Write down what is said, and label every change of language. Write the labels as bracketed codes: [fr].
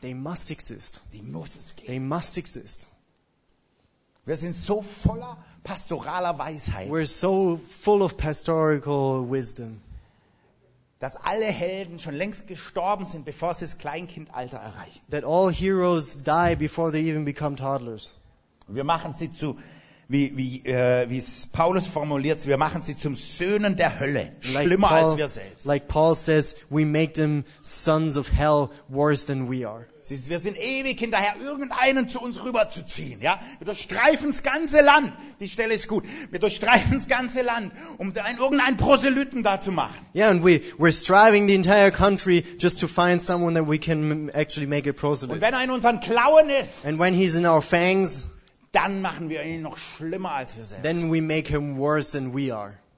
[en] They must exist. [de] Die muss es geben. [en] They must exist. [de] Wir sind so voller pastoraler Weisheit. [en] We're so full of pastoral wisdom. [de] Dass alle Helden schon längst gestorben sind, bevor sie das Kleinkindalter erreichen. [en] That all heroes die before they even become toddlers. [de] Wir machen sie zu, wie es Paulus formuliert, wir machen sie zum Söhnen der Hölle, schlimmer als wir selbst. [en] Like Paul says, we make them sons of hell worse than we are. [de] Wir sind ewig hinterher, irgendeinen zu uns rüberzuziehen. Ja? Wir durchstreifen das ganze Land. Die Stelle ist gut. Wir durchstreifen das ganze Land, um irgendeinen Proselyten da zu machen. [en] Yeah, and we're striving the entire country just to find someone that we can actually make a proselyte. [de] Und wenn er in unseren Klauen ist, [en] and when he's in our fangs, [de] dann machen wir ihn noch schlimmer als wir selbst. [en] Then we make him worse than we are.